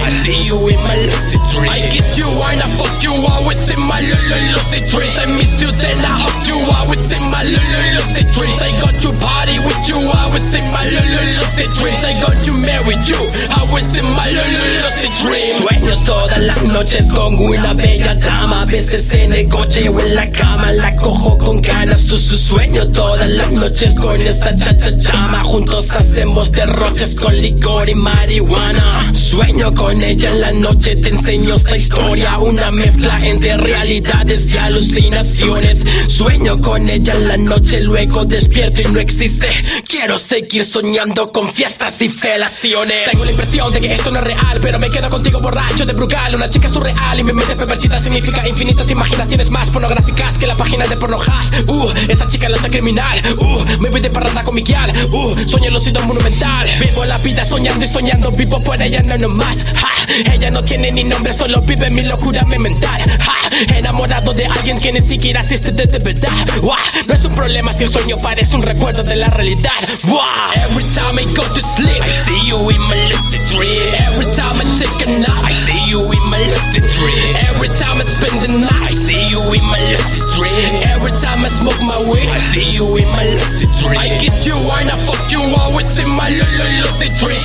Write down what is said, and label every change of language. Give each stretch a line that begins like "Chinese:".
English: I see you in my lucid dream. I get you wine, I fuck you always in my lucid dreams. I miss you then I hope you always in my lucid dreams. I got to party with you always in my lucid dreams. I got to marry you always in my lucid dreams.
Spanish: Sueño todas las noches con una bella dama. A veces en el coche o en la cama la cojo con ganas. Su sueño todas las noches con esta chacha chama. Juntos hacemos derroches con licor y marihuana. Sueño con ella en la noche, te enseño esta historia. Una mezcla entre realidades y alucinaciones. Sueño con ella en la noche, luego despierto y no existe. Quiero seguir soñando con fiestas y felaciones. Tengo la impresión de que esto no es real, pero me quedo contigo borracho de Brugal. Una chica surreal y mi mente pervertida significa infinitas imaginaciones más pornográficas que la página de Pornhub. Esa chica la está criminal. Me voy de parranda con mi guial. Sueño lucido monumental. Vivo la vida soñando y soñando, vivo por ella no nomás. Ella no tiene ni nombre, solo vive mi locura, mi mental. Enamorado de alguien que ni siquiera existe de verdad. No es un problema si el sueño parece un recuerdo de la realidad.
English: Every time I go to sleep, I see you in my lucid dream. Every time I take a nap, I see you in my lucid dream. Every time I spend the night, I see you in my lucid dream. Every time I smoke my weed, I see you in my lucid dream. I get you and I fuck you always in my lucid dreams.